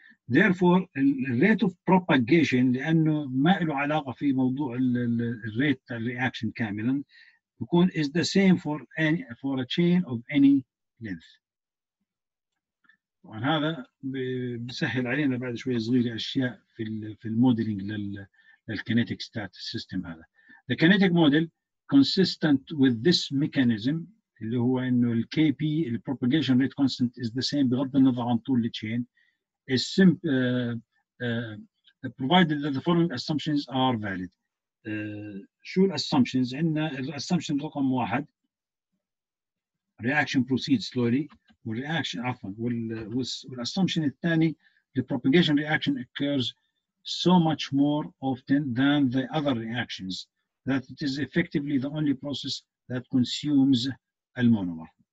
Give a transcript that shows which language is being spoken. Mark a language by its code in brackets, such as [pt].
[en] Therefore, the rate of propagation, [ar] لأنه ما له علاقة في موضوع الrate reaction كاملا، [en] يكون is the same for any for a chain of any length. [ar] وعن هذا بسهل علينا بعد شوية صغيرة أشياء في الموديلينج للكينيتيك ستات سيستم هذا. [en] The kinetic model consistent with this mechanism, [ar] اللي هو إنه ال [en] Kp, the propagation rate constant is the same [ar] بغض النظر عن طول الchain. [en] Is simple provided that the following assumptions are valid. [ar] شو الassumptions؟ عندنا الassumption رقم واحد [en] reaction proceeds slowly، [ar] والreaction عفوا والassumption الثاني [en] the propagation reaction occurs so much more often than the other reactions that it is effectively the only process that consumes the monomer.